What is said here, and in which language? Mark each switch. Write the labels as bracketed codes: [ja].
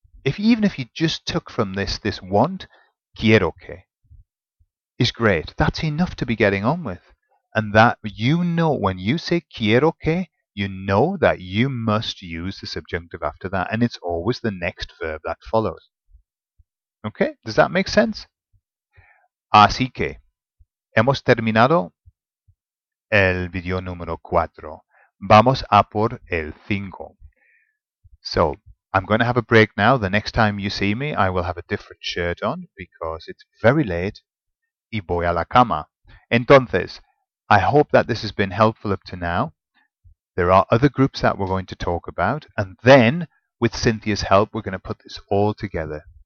[en] Even if you just took from this want, [es] quiero que [en] is great. That's enough to be getting on with. And that, you know, when you say quiero que, you know that you must use the subjunctive after that, and it's always the next verb that follows. Okay, does that make sense? [es] Así que, hemos terminado el video número 4. Vamos a por el 5. [en] So, I'm going to have a break now. The next time you see me, I will have a different shirt on because it's very late [es] y voy a la cama. [en] Entonces, I hope that this has been helpful up to now. There are other groups that we're going to talk about. And then, with Cynthia's help, we're going to put this all together.